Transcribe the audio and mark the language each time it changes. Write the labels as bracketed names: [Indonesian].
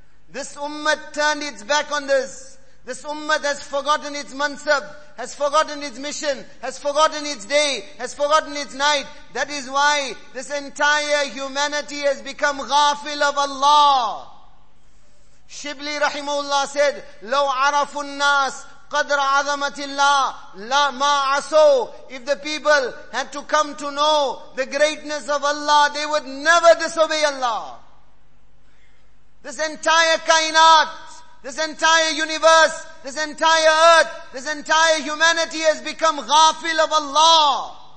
[English] This ummat turned its back on this. This ummah has forgotten its mansab, has forgotten its mission, has forgotten its day, has forgotten its night. That is why this entire humanity has become ghafil of Allah. Shibli rahimahullah said, [Arabic] لو عرفوا الناس قدر عظمة الله لا ما عصوا. [English] If the people had to come to know the greatness of Allah, they would never disobey Allah. This entire kainat, this entire universe, this entire earth, this entire humanity has become ghafil of Allah.